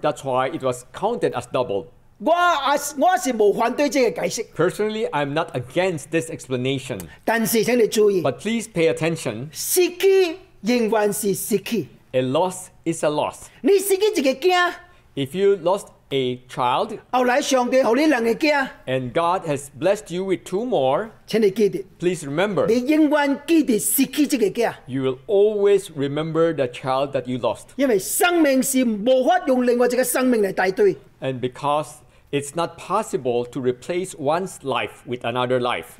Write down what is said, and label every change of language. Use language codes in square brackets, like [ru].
[en] That's why it was counted as double. Personally, I'm not against this explanation. [nan] 但是请你注意, [en] but please pay attention. [nan] 失去永远是失去。 [en] A loss is a loss. [nan] 你失去一个囝。 [en] If you lost a child, [nan] 后来上帝给你两个囝。 [en] And God has blessed you with two more, [nan] 请你记得。 [en] Please remember. [nan] 你永远记得失去这个囝。 [en] You will always remember the child that you lost. [nan] 因为生命是无法用另外一个生命来代替。 [en] And because it's not possible to replace one's life with another life.